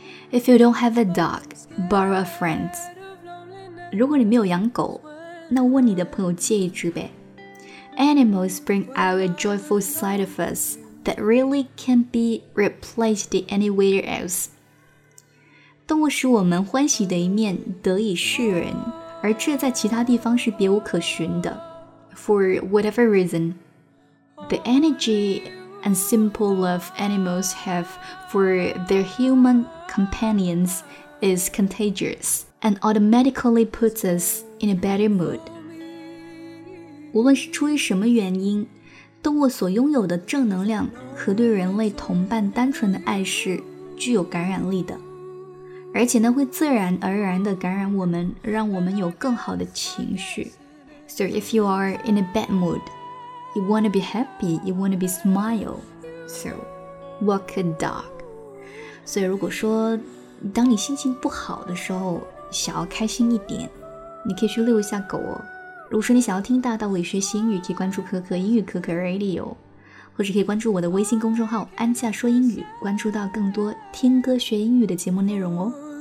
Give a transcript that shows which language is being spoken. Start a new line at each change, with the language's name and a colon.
English: If you don't have a dog, borrow a friend's。
Chinese: 如果你没有养狗，那问你的朋友借一只呗。
English: Animals bring out a joyful side of us that really can't be replaced anywhere else。
Chinese: 动物使我们欢喜的一面得以示人，而这在其他地方是别无可寻的。
English: For whatever reason, the energyand simple love animals have for their human companions is contagious and automatically puts us in a better mood.
Chinese: 无论是出于什么原因，动物所拥有的正能量和对人类同伴单纯的爱是具有感染力的，而且呢会自然而然地感染我们，让我们有更好的情绪。
English: So if you are in a bad moodYou want to be happy, you want to be smile. So, walk a dog.
Chinese: 所以如果说当你心情不好的时候想要开心一点，你可以去遛一下狗哦。如果说你想要听大道理学习英语，可以关注可可英语可可 Radio， 或者可以关注我的微信公众号安夏说英语，关注到更多听歌学英语的节目内容哦。